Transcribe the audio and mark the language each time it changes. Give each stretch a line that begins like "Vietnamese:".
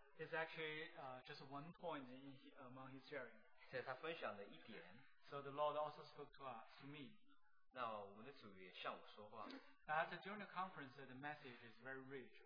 English: So it's actually just one point in, among his sharing.
Chinese: 是他分享的一点,
English: so the Lord also spoke to us, to me.
Chinese: 那我们的主也向我说话。
English: At the junior conference, the message is very rich.